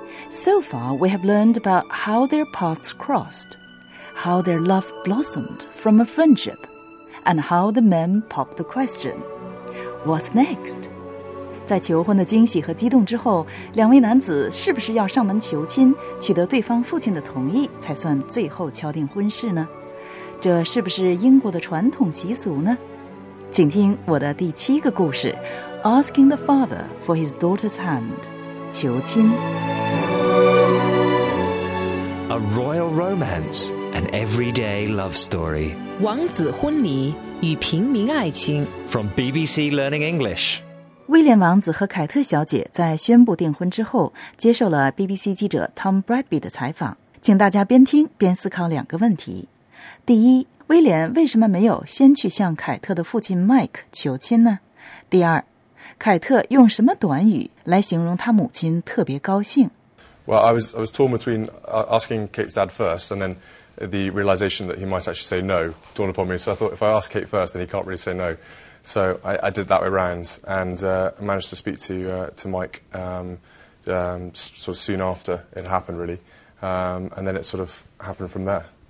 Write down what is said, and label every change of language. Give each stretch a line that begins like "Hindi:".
English: So far, we have learned about how their paths crossed, how their love blossomed from a friendship, and how the men popped the question, What's next?
Chinese: 在求婚的惊喜和激动之后，两位男子是不是要上门求亲，取得对方父亲的同意，才算最后敲定婚事呢？这是不是英国的传统习俗呢？请听我的第七个故事
English: Asking the father for his daughter's hand
Chinese: 求亲
English: A royal romance An everyday love story
Chinese: 王子婚礼与平民爱情
English: From BBC Learning English
Chinese: 威廉王子和凯特小姐在宣布订婚之后接受了 BBC 记者 Tom Bradby 的采访请大家边听边思考两个问题第一，威廉为什么没有先去向凯特的父亲迈克求亲呢？第二，凯特用什么短语来形容他母亲特别高兴
English: ？Well, I was torn between asking Kate's dad first, and then the realization that he might actually say no dawned upon me. So I thought if I ask Kate first, then he can't really say no. So I did that way round and managed to speak to Mike sort of soon after it happened, really, and then it sort of happened from there.